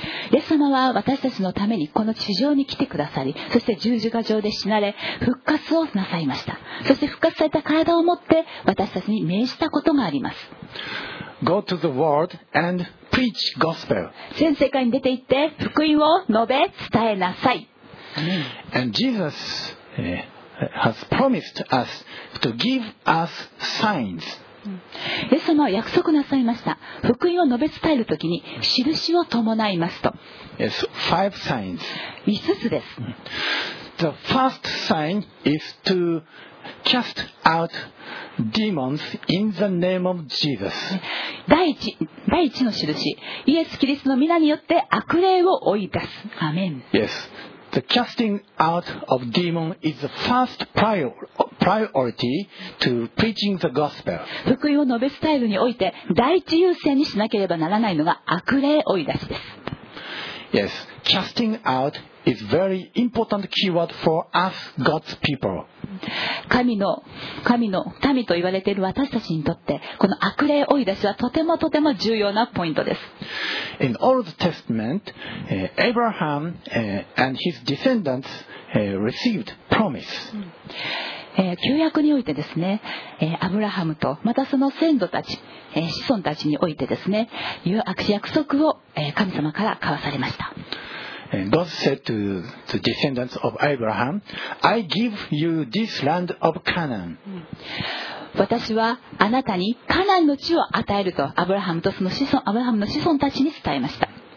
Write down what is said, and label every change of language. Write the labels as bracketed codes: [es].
[ja] イエス様は私たちのためにこの地上に来てくださり、そして十字架上で死なれ復活をなさいました。そして復活された体を持って私たちに命じたことがあります。 [en] Go to the world andPreach gospel. [ja] 全世界に出て行って福音を述べ伝えなさい。 [en] And Jesus has promised us to give us signs. [ja] イエス様は約束なさいました。福音を述べ伝えるときに印を伴いますと。 [en] Yes, five signs. [ja] 5つです。 [en] The first sign is to cast out demons in the name of Jesus. [ja] 第一の印、イエス・キリストの御名によって悪霊を追い出す。アメン。 [en] Yes, the casting out of demon is the first priority to preaching the gospel. [ja] 福音を述べ伝えるにおいて第一優先にしなければならないのが悪霊追い出しです。 [en] Yes, casting out is very important keyword for us, God's people. [ja] 神の民と言われている私たちにとって、この悪霊追い出しはとてもとても重要なポイントです。 [en] In Old Testament, Abraham and his descendants received promise. [ja] 旧約においてですね、アブラハムとまたその先祖たち、子孫たちにおいてですね、約束を神様から交わされました。 [en] God said to the descendants of Abraham, I give you this land of Canaan. [ja] 私はあなたにカナンの地を与えるとアブラハムとその子孫、アブラハムの子孫たちに伝えました。